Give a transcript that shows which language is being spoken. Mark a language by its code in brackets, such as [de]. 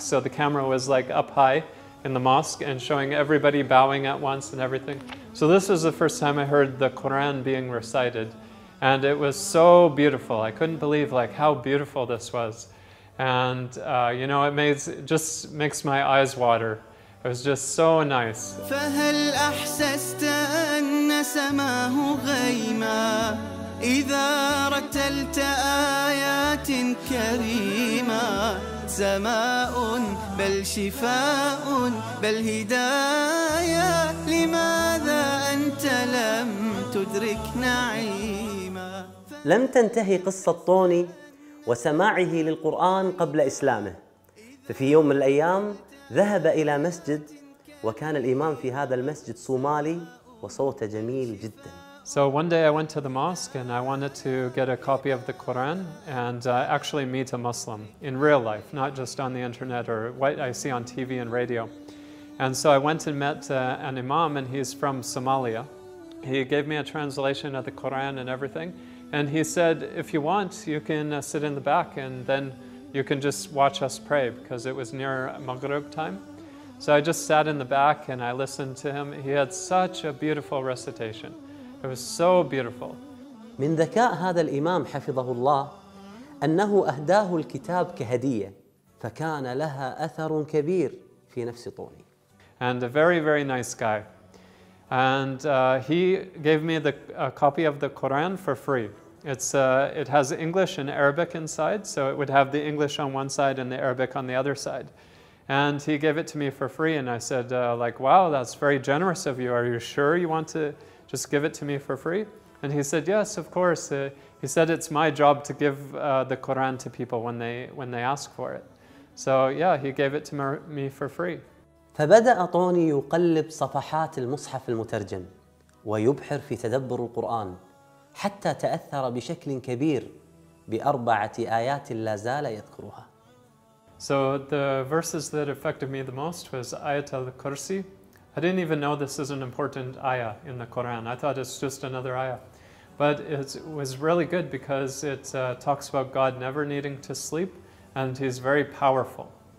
[en] So the camera was like up high in the mosque and showing everybody bowing at once and everything. So this was the first time I heard the Quran being recited. And it was so beautiful. I couldn't believe like how beautiful this was. And you know, it just makes my eyes water. It was just so nice. [ar] سماه غيما إذا رتلت آيات كريمة سماء بل شفاء بل هدايا لماذا أنت لم تدرك نعيما لم تنتهي قصة طوني وسماعه للقرآن قبل إسلامه ففي يوم من الأيام ذهب إلى مسجد وكان الإمام في هذا المسجد صومالي وصوته جميل جدا. [en] So one day I went to the mosque and I wanted to get a copy of the Quran and actually meet a Muslim in real life, not just on the internet or what I see on TV and radio. And so I went and met an imam and he's from Somalia. He gave me a translation of the Quran and everything. And he said, if you want, you can sit in the back and then you can just watch us pray because it was near Maghrib time. So I just sat in the back and I listened to him. He had such a beautiful recitation. It was so beautiful. [ar] من ذكاء هذا الإمام حفظه الله أنه أهداه الكتاب كهدية فكان لها أثر كبير في نفس طوني. [en] And a very, very nice guy. And he gave me a copy of the Quran for free. It has English and Arabic inside, so it would have the English on one side and the Arabic on the other side. And he gave it to me for free, and I said, like, wow, that's very generous of you. Are you sure you want to just give it to me for free? And he said, yes, of course. He said, it's my job to give the Quran to people when they ask for it. So yeah, he gave it to me for free. [ar] فبدأ طوني يقلب صفحات المصحف المترجم ويبحر في تدبر القرآن حتى تأثر بشكل كبير بأربعة آيات لا زال يذكرها. [en] So the verses that affected me the most was Ayat al-Kursi. I didn't even know this is an important ayah in the Quran. I thought it's just another ayah. But it was really good because it talks about God never needing to sleep and he's very powerful.